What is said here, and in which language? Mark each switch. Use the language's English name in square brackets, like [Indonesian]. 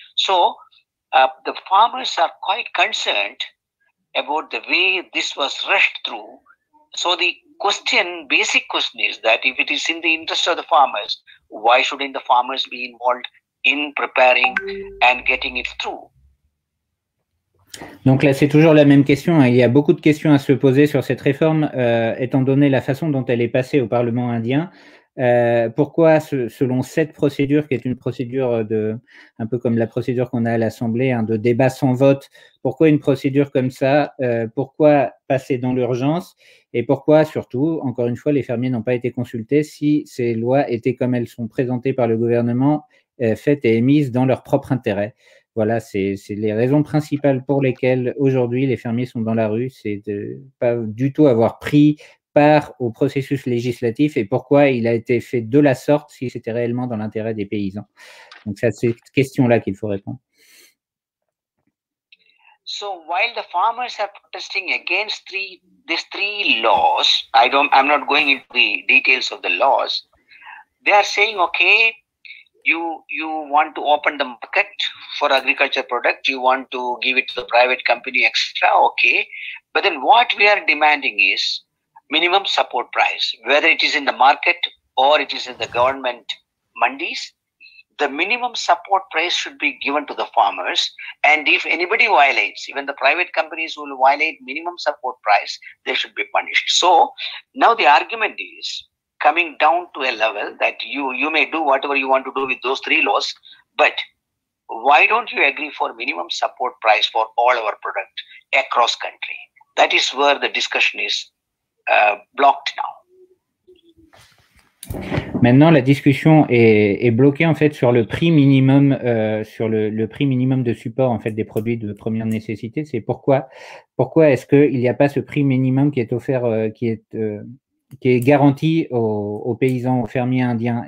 [English] So the farmers are quite concerned about the way this was rushed through. So the question, basic question, is that if it is in the interest of the farmers, why shouldn't the farmers be involved in preparing and getting it through? [French] Donc là, c'est toujours la même question. Il y a beaucoup de questions à se poser sur cette réforme, étant donné la façon dont elle est passée au Parlement indien. Pourquoi, selon cette procédure, qui est une procédure un peu comme la procédure qu'on a à l'Assemblée, hein, de débat sans vote, pourquoi une procédure comme ça? Pourquoi passer dans l'urgence? Et pourquoi, surtout, encore une fois, les fermiers n'ont pas été consultés si ces lois étaient comme elles sont présentées par le gouvernement, faites et émises dans leur propre intérêt? Voilà, c'est les raisons principales pour lesquelles aujourd'hui les fermiers sont dans la rue, c'est de pas du tout avoir pris part au processus législatif et pourquoi il a été fait de la sorte si c'était réellement dans l'intérêt des paysans. Donc c'est à cette question-là qu'il faut répondre. [English] So while the farmers are protesting against these three laws, I'm not going into the details of the laws, they are saying, okay, you want to open the market for agriculture product, you want to give it to the private company extra, okay. But then what we are demanding is minimum support price, whether it is in the market or it is in the government mandis, the minimum support price should be given to the farmers. And if anybody violates, even the private companies will violate minimum support price, they should be punished. So now the argument is coming down to a level that you may do whatever you want to do with those three laws, but why don't you agree for minimum support price for all our product across country? That is where the discussion is blocked now. [French] Maintenant, la discussion est bloquée en fait sur le prix minimum, sur le prix minimum de support en fait des produits de première nécessité. C'est pourquoi est-ce qu'il n'y a pas ce prix minimum qui est offert, qui est garanti aux paysans, aux fermiers indiens.